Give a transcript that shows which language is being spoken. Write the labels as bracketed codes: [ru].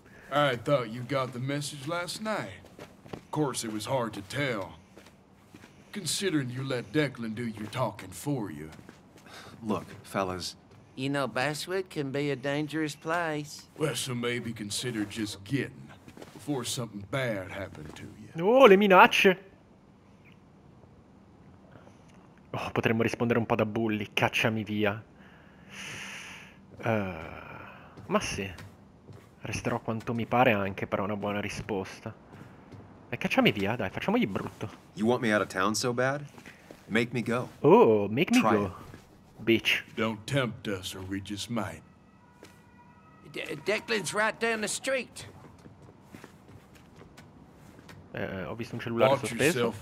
[en] I thought you got the message last night. Of course, it was hard to tell, considering you let Declan do your talking for you. Look, fellas. You know, Basswood can be a dangerous place. Well, so maybe consider just getting before something bad happened to you. [it] Oh, le minacce! Oh, potremmo rispondere un po' da bully, cacciami via. Ma sì, resterò quanto mi pare anche per una buona risposta. E cacciami via, dai, facciamogli brutto. [en] You want me out of town so bad? Make me go. Oh, make me Try it. go, bitch. Don't tempt us, or we just might. Declan's right down the street. [it] Ho visto un cellulare [en] Watch yourself [it] sospeso.